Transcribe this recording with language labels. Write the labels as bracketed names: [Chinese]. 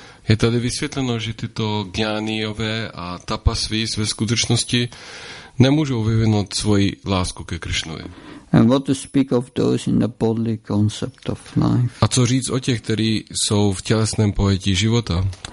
[Czech] Je tady vysvětleno, že tyto Jnaniové a Tapasvis ve skutečnosti nemůžou vyvinout svoji lásku ke Krišnovi. [English] And what to speak of those in the bodily concept of life? [Czech] A co říct o těch, kteří jsou v tělesném pojetí života?